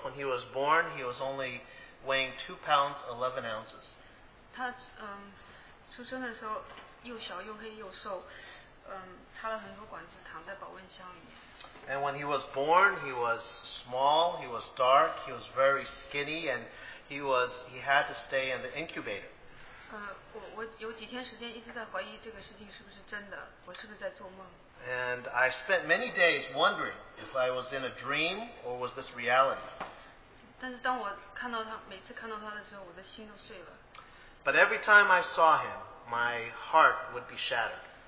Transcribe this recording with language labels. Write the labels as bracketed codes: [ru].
[en] When he was born, he was only weighing 2 pounds 11 ounces. [zh] 他出生的时候又小又黑又瘦，插了很多管子，躺在保温箱里面。 [en] And when he was born, he was small, he was dark, he was very skinny, and he had to stay in the incubator. [zh] 我有几天时间一直在怀疑这个事情是不是真的，我是不是在做梦。 [en] And I spent many days wondering if I was in a dream or was this reality. [zh] 但是当我看到他，每次看到他的时候，我的心都碎了。 [en] But every time I saw him, my heart would be shattered.